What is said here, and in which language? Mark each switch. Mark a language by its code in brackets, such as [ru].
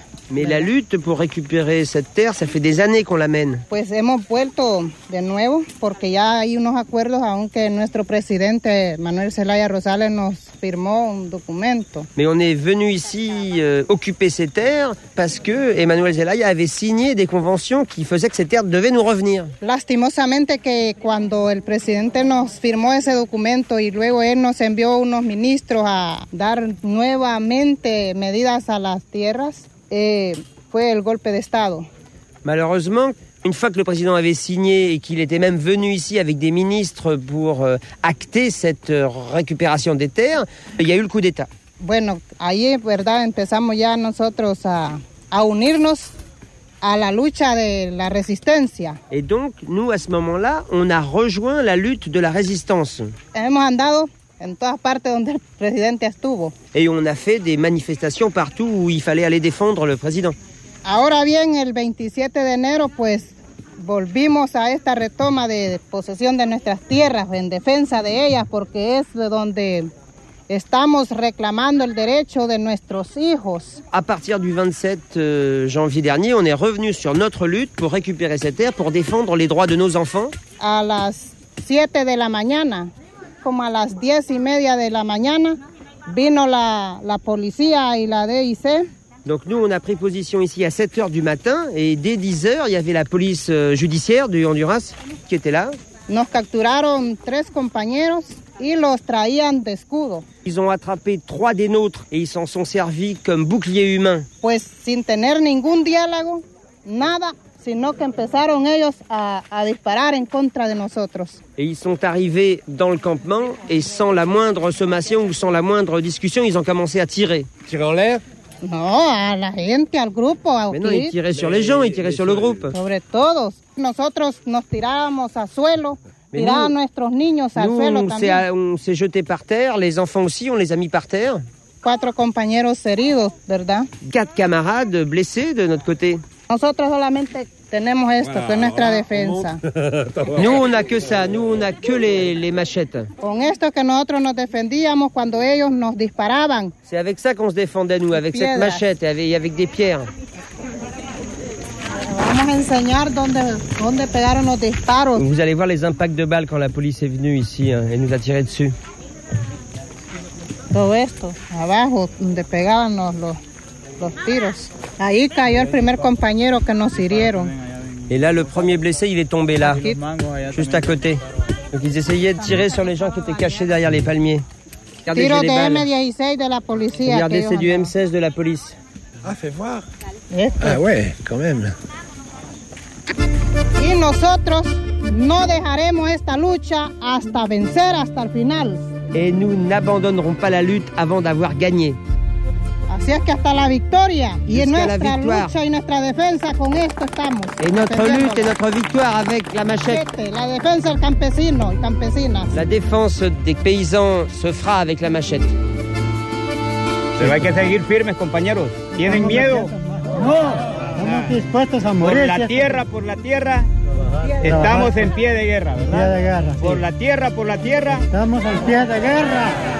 [fr] Mais la lutte pour récupérer cette terre, ça fait des années qu'on l'amène. [es] Pues hemos vuelto de nuevo porque ya hay unos acuerdos, aunque nuestro presidente Manuel Zelaya Rosales nos firmó un documento. [fr] Mais on est venu ici occuper ces terres parce que Emmanuel Zelaya avait signé des conventions qui faisaient que ces terres devaient nous revenir. [es] Lastimosamente que cuando el presidente nos firmó ese documento y luego él nos envió unos ministros a dar nuevamente medidas a las tierras. Fue el golpe de estado. [fr] Malheureusement, une fois que le président avait signé et qu'il était même venu ici avec des ministres pour acter cette récupération des terres, il y a eu le coup d'état. [es] Bueno, ahí, verdad, empezamos ya nosotros a unirnos a la lucha de la resistencia. [fr] Et donc, nous, à ce moment-là, on a rejoint la lutte de la résistance. [es] Hemos andado en todas partes donde el presidente estuvo. [fr] Et on a fait des manifestations partout où il fallait aller défendre le président. [es] Ahora bien, el 27 de enero, pues, volvimos a esta retoma de posesión de nuestras tierras, en defensa de ellas, porque es donde estamos reclamando el derecho de nuestros hijos. [fr] À partir du 27 janvier dernier, on est revenu sur notre lutte pour récupérer ces terres, pour défendre les droits de nos enfants. [es] A las 7 de la mañana. Como a las 10 y media de la mañana vino la policía y la DIC. [fr] Donc nous, on a pris position ici à 7h du matin, et dès 10h, il y avait la police judiciaire de Honduras qui était là. [es] Nos capturaron tres compañeros y los traían de escudo. [fr] Ils ont attrapé trois des nôtres et ils s'en sont servis comme boucliers humains. [es] Pues sin tener ningún diálogo, nada, sino que empezaron ellos a disparar en contra de nosotros. [fr] Et ils sont arrivés dans le campement et sans la moindre sommation ou sans la moindre discussion, ils ont commencé à tirer. Tirer en l'air? Non, à [es] la gente, al grupo. [fr] Mais non, ils tiraient sur les gens, ils tiraient sur le groupe. [es] Sobre todos. Nosotros nos tirábamos al suelo. Tirábamos nuestros niños al suelo también. [fr] On s'est jetés par terre, les enfants aussi, on les a mis par terre. [es] Cuatro compañeros heridos, ¿verdad? [fr] Quatre camarades blessés de notre côté. [es] Nosotros solamente tenemos esto, [fr] voilà, [es] que es nuestra defensa. [fr] Nous, on a que ça. Nous, on a que les machettes. [es] Con esto que nosotros nos defendíamos cuando ellos nos disparaban. [fr] C'est avec ça qu'on se défendait, nous, avec cette machette et avec des pierres. [es] Vamos a enseñar dónde pegaron los disparos. [fr] Vous allez voir les impacts de balles quand la police est venue ici, hein, et nous a tiré dessus. [es] Todo esto, abajo, donde pegaban los tiros. Ahí cayó el primer compañero que nos hirieron. [fr] Et là, le premier blessé, il est tombé là, juste à côté. Donc ils essayaient de tirer sur les gens qui étaient cachés derrière les palmiers. [es] Tiro de M16 de la policía. [fr] Regardez, c'est du M16 de la police. Ah, fais voir. Ah ouais, quand même. [es] Y nosotros no dejaremos esta lucha hasta vencer, hasta el final. [fr] Et nous n'abandonnerons pas la lutte avant d'avoir gagné. [es] Así es que hasta la victoria y en nuestra lucha y nuestra defensa con esto estamos. [fr] Et notre lutte et notre victoire avec la machette. [es] La defensa del campesino y campesina. [fr] La défense des paysans se fera avec la machette. [es] Pero hay que seguir firmes, compañeros. ¿Tienen miedo? No, estamos dispuestos a morir. Por la tierra, estamos en pie de guerra, ¿verdad? Pie de guerra. Sí. Por la tierra. Estamos en pie de guerra.